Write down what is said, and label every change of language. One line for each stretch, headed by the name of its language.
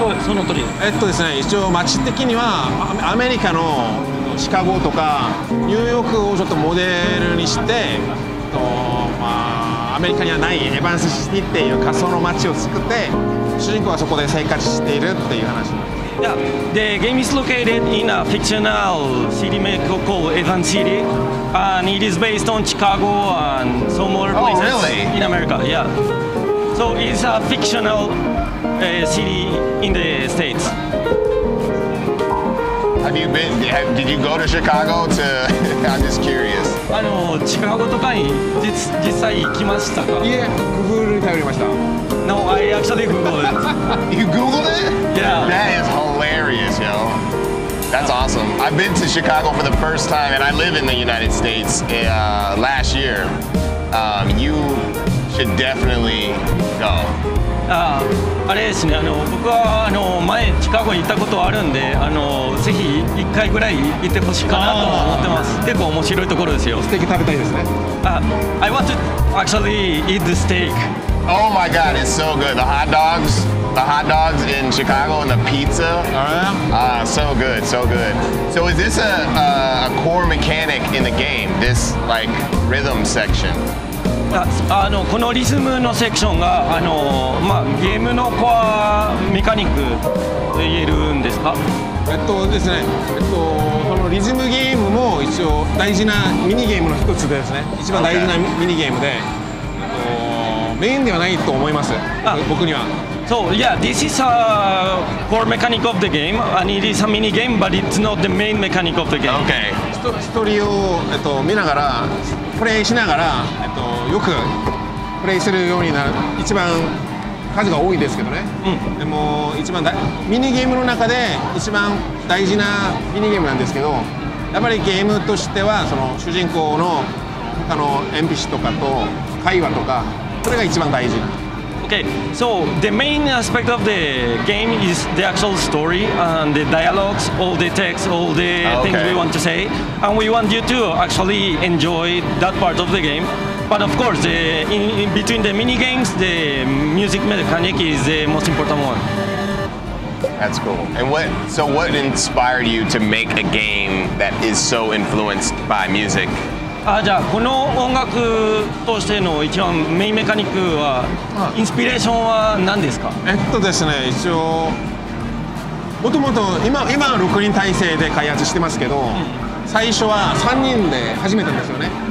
Japanese: そう、その通りです。ですね、一応町的にはアメリカのシカゴとかニューヨークをちょっとモデルにして、まあ、アメリカにはないエヴァンスシティっていう仮想の町を作って、主人公はそこで生活しているっていう話。
English: Yeah, the game is located in a fictional city called Evan City, and it is based on Chicago and some other places in America. Yeah, so it's a fictional city in the States. Have you been? Did you go to Chicago? To I'm just curious.
Japanese: Chicago とかに実際行きましたか? Yeah, Google に頼りました。
English: No, I actually Googled it. You Googled it? Yeah. That is hilarious, yo. That's awesome. I've been to Chicago for the first time, and I live in the United States last year. You should definitely go.
Japanese: あれですね、僕は前、シカゴに行ったことあるんで、ぜひ一回ぐらい行ってほしいかなと思ってます。結構面白いところですよ。ステーキ食べたいですね。
English: I want to actually eat the steak. Oh my god, it's so good. The hot dogs in Chicago and the pizza. So good, so good. So is this a core mechanic in the game, this like rhythm section?
Japanese: このリズムのセクションが、ゲームのコアメカニックと言えるんですか？ですね、このリズムゲームも一応大事なミニゲームの一つですね。一番大事なミニゲームで。
English: Okay.
Japanese: メインではないと思います。僕には。
English: So yeah, this is a core mechanic of the game, and it is a mini game, but it's not the main mechanic of the game. Okay.
Japanese: ストーリーを見ながらプレイしながらよくプレイするようになる。一番数が多いですけどね。うん。でも一番ミニゲームの中で一番大事なミニゲームなんですけど、やっぱりゲームとしてはその主人公の他の NPC とかと会話とか。それが一番大事。
English: Okay, so the main aspect of the game is the actual story and the dialogues, all the text, all the things we want to say. And we want you to actually enjoy that part of the game. But of course, in between the mini games, the music mechanic is the most important one. That's cool. And what inspired you to make a game that is so influenced by music?
Japanese: あ、じゃあこの音楽としての一番メインメカニックは、インスピレーションは何ですか？ですね、一応もともと今6人体制で開発してますけど、最初は3人で始めたんですよね。